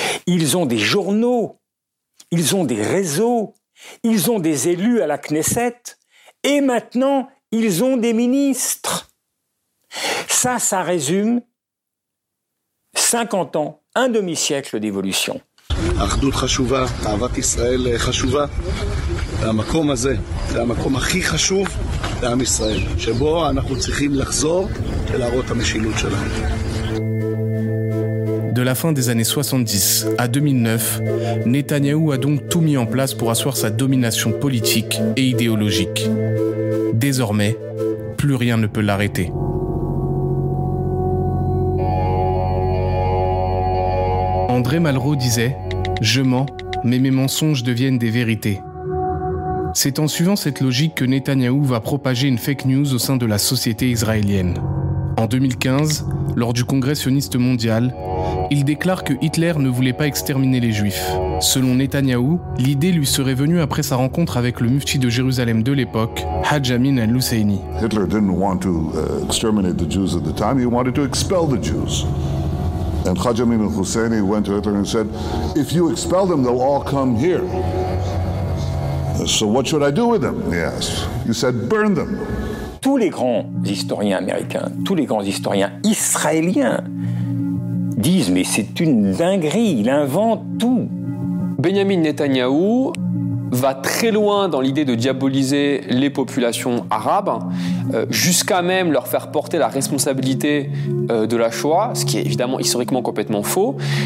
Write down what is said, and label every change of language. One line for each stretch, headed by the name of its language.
French: Ils ont des journaux. Ils ont des réseaux. Ils ont des élus à la Knesset. Et maintenant, ils ont des ministres. Ça résume 50 ans, un demi-siècle d'évolution.
Hebrew: אחדות חשובה, אהבת ישראל חשובה. המקום הזה, זה המקום הכי חשוב לעם ישראל, שבו אנחנו צריכים לחזור ולהראות המשילות שלנו.
French: De la fin des années 70 à 2009, Netanyahou a donc tout mis en place pour asseoir sa domination politique et idéologique. Désormais, plus rien ne peut l'arrêter. André Malraux disait « Je mens, mais mes mensonges deviennent des vérités ». C'est en suivant cette logique que Netanyahou va propager une fake news au sein de la société israélienne. En 2015, lors du Congrès sioniste mondial, il déclare que Hitler ne voulait pas exterminer les Juifs. Selon Netanyahou, l'idée lui serait venue après sa rencontre avec le mufti de Jérusalem de l'époque, Hajj Amin al-Husseini.
English: Hitler didn't want to exterminate the Jews at the time, he wanted to expel the Jews. And Hajj Amin al-Husseini went to Hitler and said, if you expel them, they'll all come here. So what should I do with them? He asked. He said, burn them.
French: Tous les grands historiens américains, tous les grands historiens israéliens disent, mais c'est une dinguerie, il invente tout. Benjamin Netanyahou va très loin dans l'idée de diaboliser les populations arabes, jusqu'à même leur faire porter la responsabilité de la Shoah, ce qui est évidemment historiquement complètement faux.